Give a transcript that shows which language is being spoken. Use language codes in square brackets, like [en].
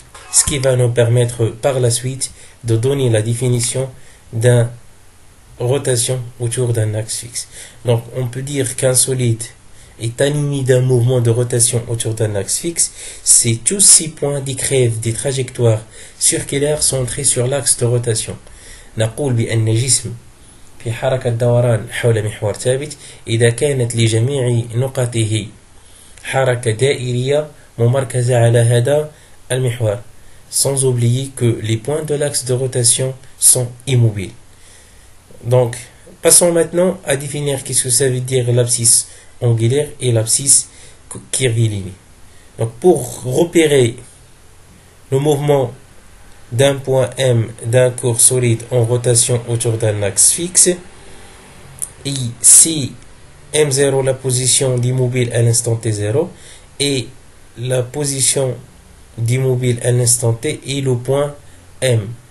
[fr] Ce qui va nous permettre par la suite de donner la définition d'une rotation autour d'un axe fixe. Donc, on peut dire qu'un solide est animé d'un mouvement de rotation autour d'un axe fixe si tous ces points décrivent des trajectoires circulaires centrées sur l'axe de rotation. [ar] نقول بأن جسم في حركة دوران حول محور ثابت إذا كانت لجميع نقطه حركة دائرية ممركزة على هذا المحور. [fr] Sans oublier que les points de l'axe de rotation sont immobiles. Donc, passons maintenant à définir qu'est-ce que ça veut dire l'abscisse angulaire et l'abscisse curviligne. Donc, pour repérer le mouvement d'un point M d'un corps solide en rotation autour d'un axe fixe, et si M0 la position d'immobile à l'instant T0 et la position d'immobile à l'instant T est le point M.